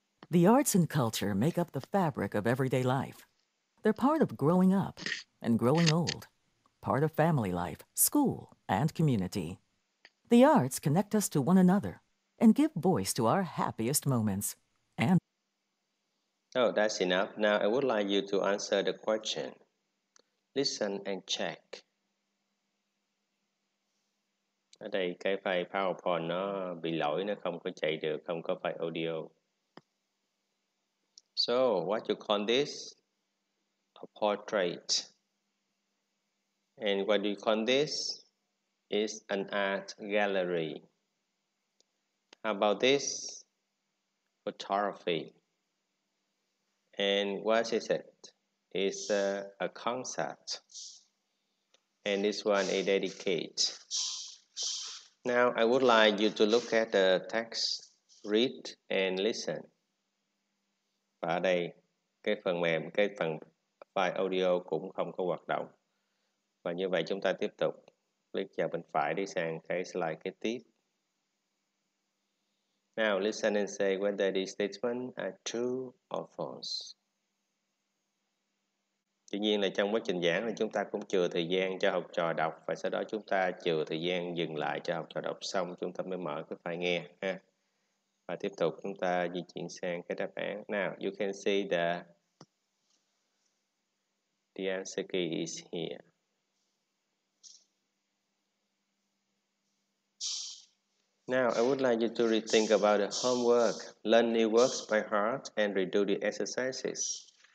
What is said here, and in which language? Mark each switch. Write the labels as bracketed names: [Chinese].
[English] The arts and culture make up the fabric of everyday life. They're part of growing up and growing old, part of family life, school, and community. The arts connect us to one another and give voice to our happiest moments. And oh, that's enough. Now I would like you to answer the question. Listen and check. [Vietnamese] Ở đây cái file PowerPoint nó bị lỗi, nó không có chạy được, không có file audio. [English] So, what you call this? A portrait. And what do you call this? Is an art gallery. How about this? Photography. And what is it? It's a concert. And this one is dedicated. Now I would like you to look at the text, read and listen. [Vietnamese] Và ở đây cái phần mềm, cái phần file audio cũng không có hoạt động. Và như vậy chúng ta tiếp tục click vào bên phải đi sang cái slide kế tiếp. [English] Now listen and say whether these statements are true or false. [Vietnamese] Tuy nhiên là trong quá trình giảng thì chúng ta cũng chừa thời gian cho học trò đọc, và sau đó chúng ta chừa thời gian dừng lại cho học trò đọc xong chúng ta mới mở cái file nghe ha. Và tiếp tục chúng ta di chuyển sang cái đáp án. [English] Now you can see the answer key is here. Now, I would like you to rethink about the homework. Learn new words by heart and redo the exercises.